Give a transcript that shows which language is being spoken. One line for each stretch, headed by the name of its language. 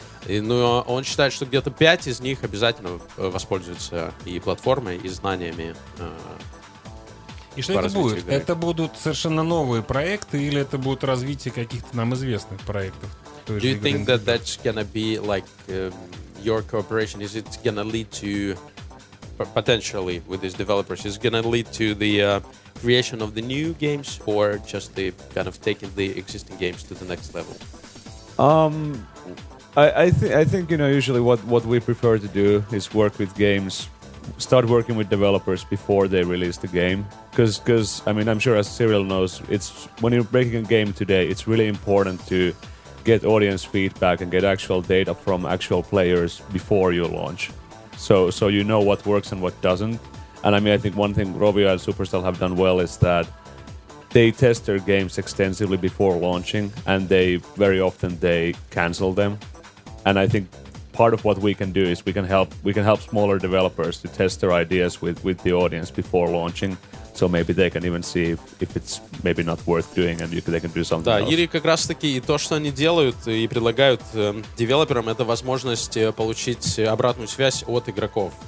Russian: Но он считает, что где-то 5 из них обязательно воспользуются и платформой, и знаниями. И что это будет? Игры. Это будут совершенно новые проекты или это будет развитие каких-то нам известных проектов?
English: Do you think that's gonna be like your cooperation? Is it gonna lead to potentially with these developers? Is it gonna lead to the creation of the new games or just the kind of taking the existing games to the next level? I think you know, usually what we prefer to do is work with games, start working with developers before they release the game, because I mean, I'm sure as Cyril knows, it's when you're making a game today, it's really important to get audience feedback and get actual data from actual players before you launch, so you know what works and what doesn't. And I mean, I think one thing Rovio and Supercell have done well is that they test their games extensively before launching, and very often they cancel them. And I think part of what we can do is we can help smaller developers to test their ideas with the audience before launching, so maybe they can even see if it's maybe not worth doing and they can do something
Russian: else. Да, Юрий, как раз таки, и то, что они делают и предлагают девелоперам, это возможность получить обратную связь от игроков.